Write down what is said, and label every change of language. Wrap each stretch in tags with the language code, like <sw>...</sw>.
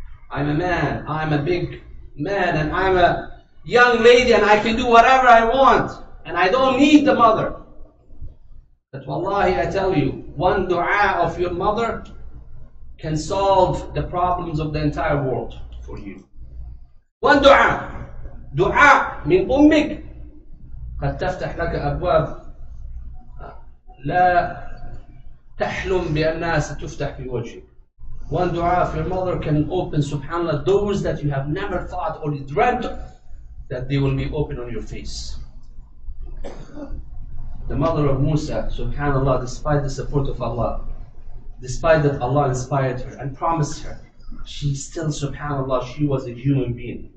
<en>I'm a man, I'm a big man, and I'm a young lady, and I can do whatever I want, and I don't need the mother. But wallahi, I tell you, one dua of your mother can solve the problems of the entire world for you. One dua.</en> <ar>Dua min ummik قد تفتح لك أبواب لا تحلم بأنها ستفتح في وجهك.</ar> <en>One dua of your mother can open, subhanAllah, doors that you have never thought or dreamt that they will be open on your face. The mother of Musa, subhanAllah, despite the support of Allah, despite that Allah inspired her and promised her, she still, subhanAllah, she was a human being.</en>